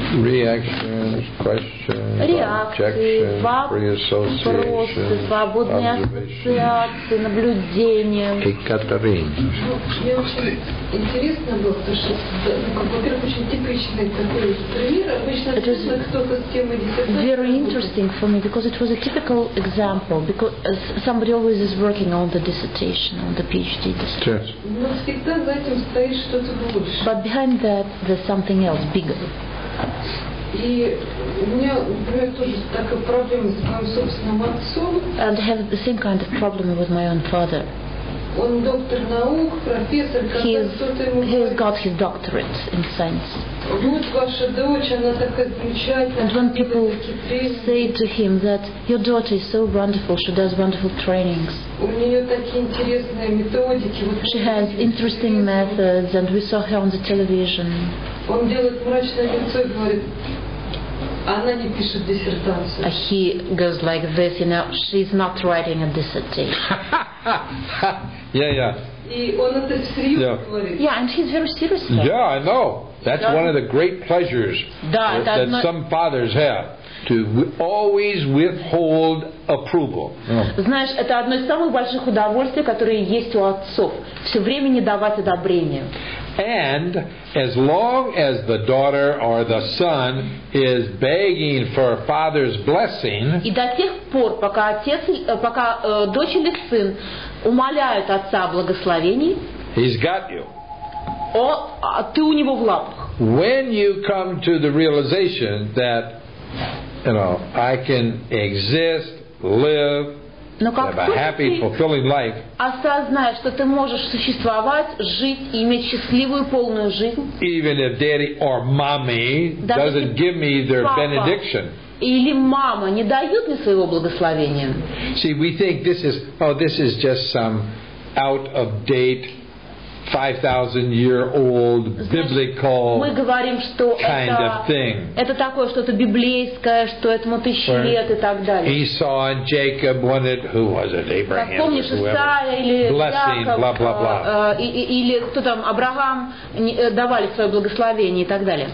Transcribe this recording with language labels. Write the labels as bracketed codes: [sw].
[en] Reactions, questions, objections, free associations, [ru] свободные ассоциации, наблюдения. Екатерина. Мне очень интересно было, потому что, во-первых, очень типичный такой пример. Обычно, если кто-то с темой диссертации... [en] Very interesting for me, because it was a typical example, because somebody always is working on the dissertation, on the PhD dissertation. [ru] Но всегда за этим стоит что-то больше. [en] But behind that, there's something else bigger. [ru] И у меня, например, тоже такая проблема с моим собственным отцом. [en] And have the same kind of problem with my own father. [ru] Он доктор наук, профессор, [en] he's got his doctorate in science. [ru] Вот ваша дочь, она такая замечательная. [en] And when people say to him that your daughter is so wonderful, she does wonderful trainings. [ru] У нее такие интересные методики. [en] She has interesting methods, and we saw her on the television. [ru] Он делает мрачное лицо и говорит, она не пишет диссертацию. [en] He goes like this, you know, she's not writing a dissertation. Yeah, yeah. Yeah, and he's very serious. Yeah, I know. That's one of the great pleasures that some fathers have. To always withhold approval. [ru] Знаешь, это одно из самых больших удовольствий, которые есть у отцов. Все время не давать одобрения. [en] And as long as the daughter or the son is begging for father's blessing. [ru] И до тех пор, пока отец, пока дочь или сын умоляют отца о благословении. [en] He's got you. [ru] Ты у него в лапах. [en] When you come to the realization that you know, I can exist, live, have a happy, fulfilling life. [ru] Осознай, что ты можешь существовать, жить и иметь счастливую полную жизнь. [en] Even if daddy or mommy doesn't give me their benediction. [ru] Или мама не дает мне своего благословения. [en] See, we think this is just some out of date 5,000-year-old biblical [ru] мы говорим, что [en] kind of thing. [ru] Это такое что-то библейское, что этому тысячи лет и так далее. [en] Esau and Jacob wanted, who was it, Abraham? [ru] Как помнишь, [en] or whoever. Blessing, blah blah blah. [ru] Или кто там Авраам давали свое благословение и так далее.